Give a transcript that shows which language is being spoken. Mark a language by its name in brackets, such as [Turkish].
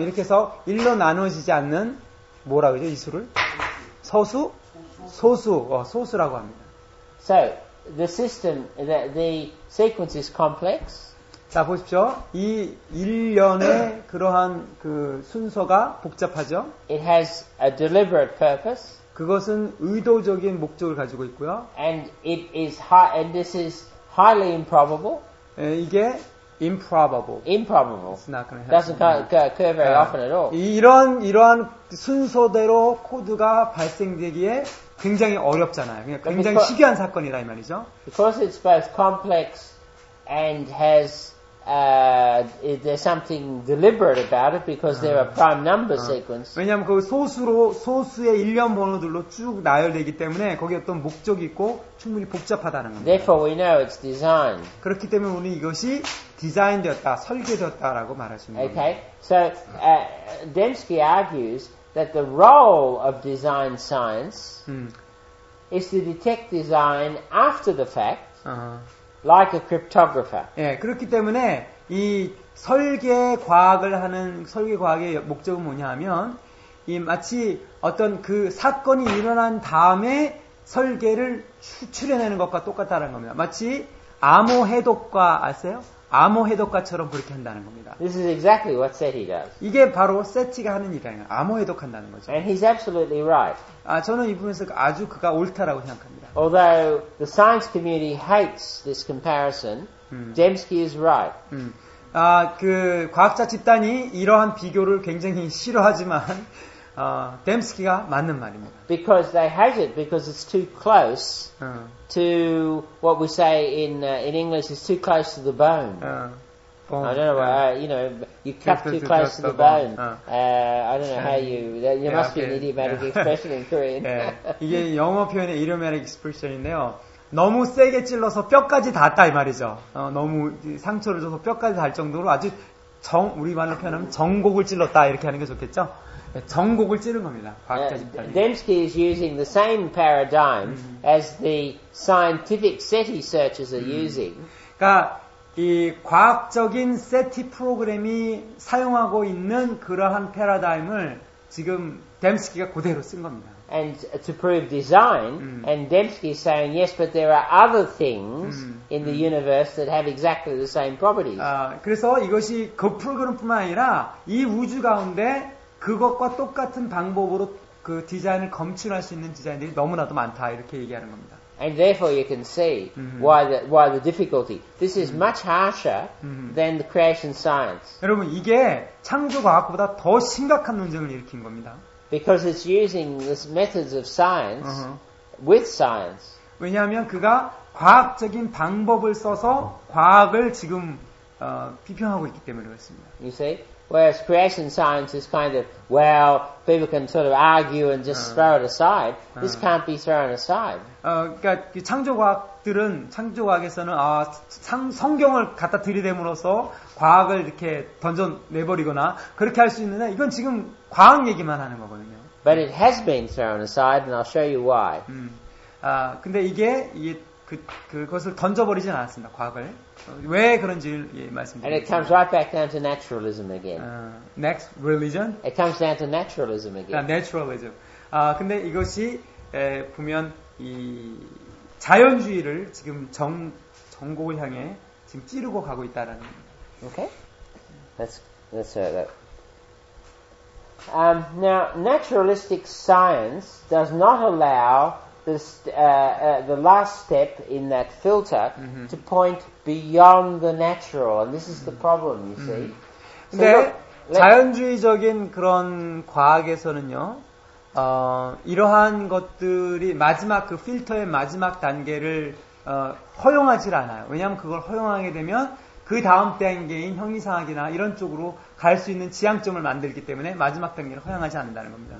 [Korean] 이렇게 해서 1로 나눠지지 않는, 뭐라 그러죠? 이 수를? 서수? 소수. 소수라고 합니다. [English] So, the system, the sequence is complex. [Korean] 자, 보십시오. 이 일련의 그러한 그 순서가 복잡하죠? [English] It has a deliberate purpose. [Korean] 그것은 의도적인 목적을 가지고 있고요. [English] And this is highly improbable. [Korean] 이게 improbable. [English] Improbable. It's not going to happen. Doesn't occur very often at all. [Korean] 이러한 순서대로 코드가 발생되기에 굉장히 어렵잖아요. 그냥 굉장히 [English] because, [Korean] 희귀한 사건이라 이 말이죠. [English] Because it's both complex and has there's something deliberate about it because there are prime number sequence. [Korean] 왜냐하면 그 소수로 소수의 일련 번호들로 쭉 나열되기 때문에 거기 어떤 목적이 있고 충분히 복잡하다는 겁니다. [English] Therefore, we know it's designed. [Korean] 그렇기 때문에 우리는 이것이 디자인되었다, 설계되었다라고 말할 수 있는 겁니다. [English] Okay, so Dembski argues that the role of design science is to detect design after the fact. like a cryptographer. [Korean] 예, 그렇기 때문에 이 설계 과학을 하는 설계 과학의 목적은 뭐냐면 이 마치 어떤 그 사건이 일어난 다음에 설계를 추출해내는 것과 똑같다는 겁니다. 마치 암호 해독과 아세요? 암호 해독가처럼 그렇게 한다는 겁니다. [English] This is exactly what SETI does. [Korean] 이게 바로 SETI가 하는 일이에요. 암호 해독한다는 거죠. [English] And he's absolutely right. [Korean] 아, 저는 이 부분에서 아주 그가 옳다라고 생각합니다. [English] Although the science community hates this comparison, Dembski is right. [Korean] 아, 그 과학자 집단이 이러한 비교를 굉장히 싫어하지만 Dembski가 맞는 말입니다. [English] Because they hate it because it's too close to what we say in English is too close to the bone. I don't know why, you know, you cut too close to the bone. I don't know how you, that, you must be an idiomatic expression in Korean. [Korean] 이게 영어 표현의 [English] idiomatic expression [Korean] 인데요. 너무 세게 찔러서 뼈까지 닿았다 이 말이죠. 너무 상처를 줘서 뼈까지 닿을 정도로 아주 정, 우리말로 표현하면 정곡을 찔렀다 이렇게 하는 게 좋겠죠. 정곡을 찌른 겁니다. [English] Dembski is using the same paradigm as the scientific SETI searches are using. [Korean] 그러니까 이 과학적인 SETI 프로그램이 사용하고 있는 그러한 패러다임을 지금 Dembski가 그대로 쓴 겁니다. [English] And to prove design, and Dembski is saying yes, but there are other things in the universe that have exactly the same properties. [Korean] 아, 그래서 이것이 그 프로그램뿐만 아니라 이 우주 가운데 그것과 똑같은 방법으로 그 디자인을 검출할 수 있는 디자인들이 너무나도 많다 이렇게 얘기하는 겁니다. [English] And therefore you can see why the difficulty. This is much harsher than the creation science. [Korean] 여러분 이게 창조 과학보다 더 심각한 논쟁을 일으킨 겁니다. [English] Because it's using the methods of science with science. [Korean] 왜냐하면 그가 과학적인 방법을 써서 과학을 지금 비평하고 있기 때문에 그렇습니다. [English] You see? Whereas creation science is kind of, well, people can sort of argue and just throw it aside. This can't be thrown aside. [Korean] 그러니까 창조과학들은 창조과학에서는 아 성경을 갖다 들이댐으로써 과학을 이렇게 던져 내버리거나 그렇게 할 수 있는데 이건 지금 과학 얘기만 하는 거거든요. [English] But it has been thrown aside, and I'll show you why. [Korean] 근데 이게 그것을 던져버리진 않았습니다. 과학을 왜 그런지 예, 말씀드립니다. [English] And it comes right back down to naturalism again. Next religion? It comes down to naturalism again. Naturalism. [Korean] 아 근데 이것이 보면 이 자연주의를 지금 정곡을 향해 지금 찌르고 가고 있다라는. [English] Okay. That's right. Now naturalistic science does not allow the last step in that filter to point beyond the natural, and this is the problem, you see. [Korean] 근데 자연주의적인 그런 과학에서는요, 이러한 것들이 마지막 그 필터의 마지막 단계를 허용하지 않아요. 왜냐하면 그걸 허용하게 되면 그 다음 단계인 형이상학이나 이런 쪽으로 갈 수 있는 지향점을 만들기 때문에 마지막 단계를 허용하지 않는다는 겁니다.